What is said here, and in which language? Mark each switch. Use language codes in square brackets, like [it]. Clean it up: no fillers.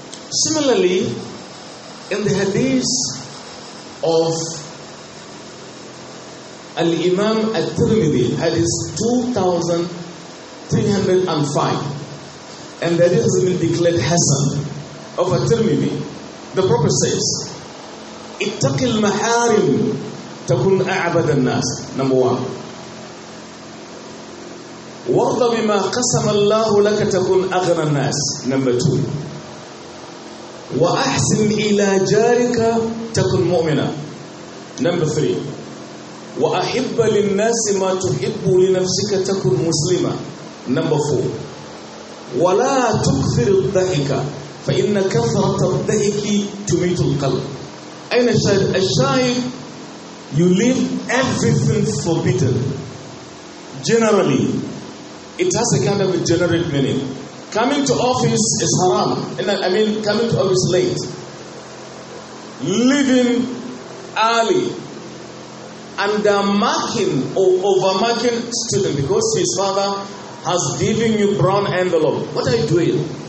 [en] Similarly, in the hadith of Al-Imam Al-Tirmidhi, hadith 2305, and the hadith has been declared Hassan of Al-Tirmidhi, the Prophet says, [ar] اتق المحارم تكون أعبد الناس. [en] Number one. [ar] وارض بما قسم الله لك تكون أغنى الناس. [en] Number two. [ar] وأحسن إلى جارك تكون مؤمنا. [en] Number three. [ar] وأحب للناس ما تحب لنفسك تكون مسلما. [en] Number four. [ar] ولا تكثر الضحك فإن كثرة الضحك تميت القلب. أين الشاهد؟ الشاهد, [en] you leave everything forbidden. Generally, it has a kind of a generic meaning. Coming to office is haram. Coming to office late. Leaving early. Undermarking or overmarking student because his father has given you brown envelope. What are you doing?